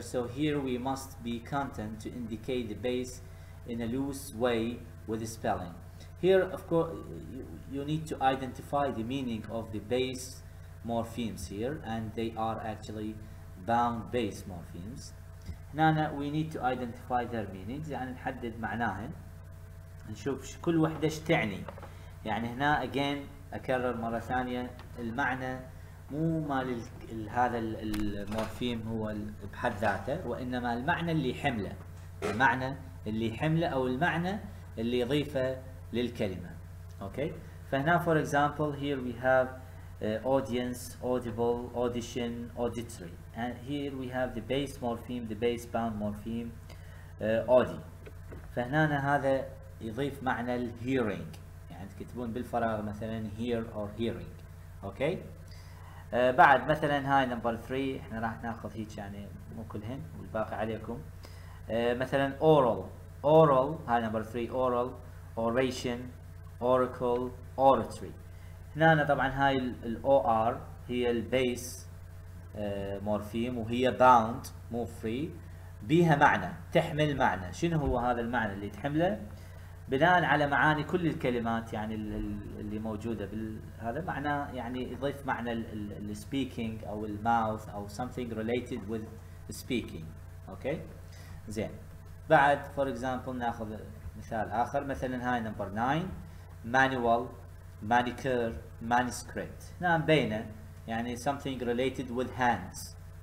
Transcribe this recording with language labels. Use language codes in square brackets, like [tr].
[en] So here we must be content to indicate the base in a loose way with the spelling. Here, of course, you need to identify the meaning of the base morphemes here, and they are actually bound base morphemes. هنا we need to identify their meanings, [ar] يعني نحدد معناهن. نشوف كل وحدة ايش تعني. يعني هنا again أكرر مرة ثانية المعنى مو مال هذا المورفيم هو بحد ذاته، وإنما المعنى اللي حمله. المعنى اللي حمله أو المعنى اللي يضيفه للكلمة. [en] Okay. فهنا for example here we have audience, audible, audition, auditory. And here we have the base morpheme, the base bound morpheme, audi. [ar] فهنا هذا يضيف معنى ال hearing. يعني تكتبون بالفراغ مثلا hear or hearing. [en] Okay. [ar] بعد مثلا هاي number three احنا راح ناخذ هيك يعني مو كلهن والباقي عليكم. مثلا oral. [en] Oral هاي number three oral. Oration, oracle, oratory. [ar] هنا طبعا هاي ال OR هي ال base morpheme وهي bound مو free. بيها معنى تحمل معنى. شنو هو هذا المعنى اللي تحمله؟ بناء على معاني كل الكلمات يعني اللي موجودة هذا معنى يعني يضيف معنى ال speaking أو ال mouth أو [en] something related with speaking. Okay. زين. [ar] بعد [en] for example [ar] ناخذ مثال آخر مثلا هاي نمبر 9 manual, manicure, manuscript. نعم بينه يعني [en] something related with hands.